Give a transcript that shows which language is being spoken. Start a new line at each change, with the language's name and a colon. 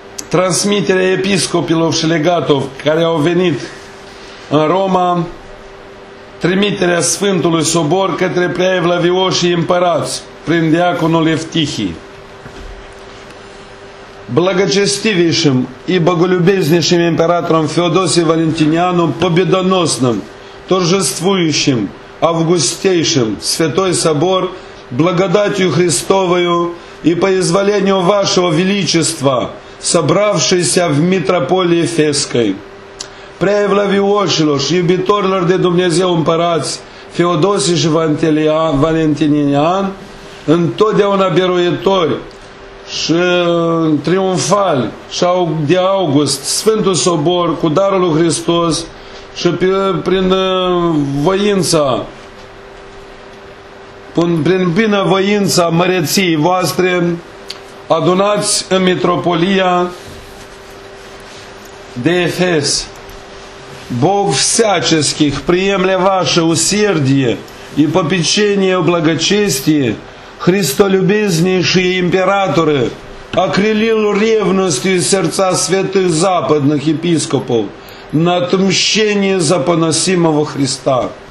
Russian: Трансмитере епископов и легатов, которые увенит в Рома,
Romanian: trimiterea Sfântului Sobor către preaevlavioșii împărați prin diaconul Eftihii.
Russian: Благочестивейшим и боголюбезнейшим императором Феодосием Валентинианом победоносным, торжествующим, августейшим Святой Собор, благодатью Христовою и по изволению Вашего Величества, собравшийся в митрополии Ефесской.
Romanian: Preaevlavioșilor și iubitorilor de Dumnezeu împărați Feodosie și Valentinian, întotdeauna biruitori și triumfali și de august, Sfântul Sobor cu darul lui Hristos și prin binevoința măreției voastre adunați în mitropolia de Efes.
Russian: Бог всяческих приемле ваше усердие и попечение о благочестии, христолюбезнейшие императоры, окрылил ревностью сердца святых западных епископов на отмщение за поносимого Христа.